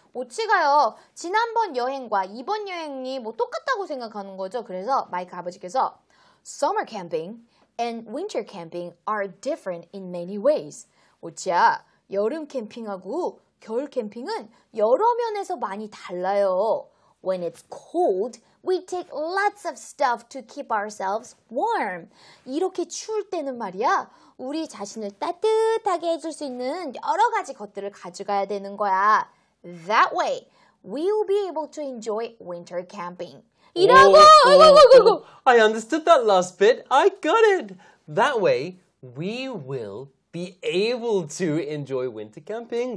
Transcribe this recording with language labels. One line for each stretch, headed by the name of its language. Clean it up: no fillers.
Korean: Ochi가요, 지난번 여행과 이번 여행이 뭐 똑같다고 생각하는 거죠. 그래서 마이크 아버지께서
English: Summer camping and winter camping are different in many ways.
Korean: Ochi야, 여름 캠핑하고 겨울 캠핑은 여러 면에서 많이 달라요.
English: When it's cold, we take lots of stuff to keep ourselves warm.
Korean: 이렇게 추울 때는 말이야, 우리 자신을 따뜻하게 해줄 수 있는 여러 가지 것들을 가져가야 되는 거야.
English: That way, we will be able to enjoy winter camping.
Korean: 이라고!
English: I understood that last bit. I got it. That way, we will be able to enjoy winter camping.